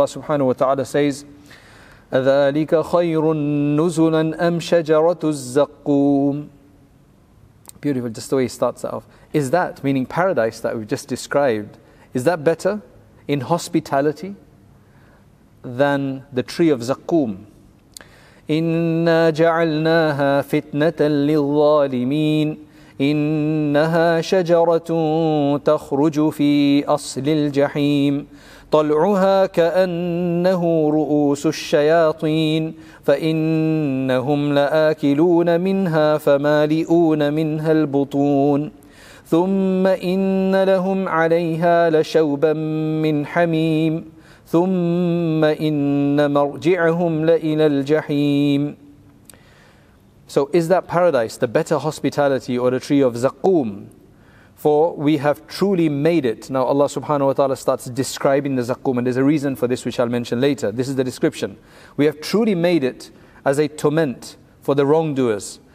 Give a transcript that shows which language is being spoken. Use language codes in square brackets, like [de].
[en] Allah subhanahu wa ta'ala says, [ar] أَذَٰلِكَ خَيْرٌ نُزُلًا أَمْ شَجَرَةُ الزَّقُّومِ. [en] Beautiful, just the way he starts that off. Is that, meaning paradise that we've just described, is that better in hospitality than the tree of Zakkum? [ar] إِنَّا جَعَلْنَاهَا فِتْنَةً لِلظَّالِمِينَ إنها شجرة تخرج في أصل الجحيم طلعها كأنه رؤوس الشياطين فإنهم لآكلون منها فمالئون منها البطون ثم إن لهم عليها لشوبا من حميم ثم إن مرجعهم لإلى الجحيم. [en] So is that paradise, the better hospitality, or the tree of Zakkum? For we have truly made it. Now Allah subhanahu wa ta'ala starts describing the Zakkum, and there's a reason for this which I'll mention later. This is the description. We have truly made it as a torment for the wrongdoers.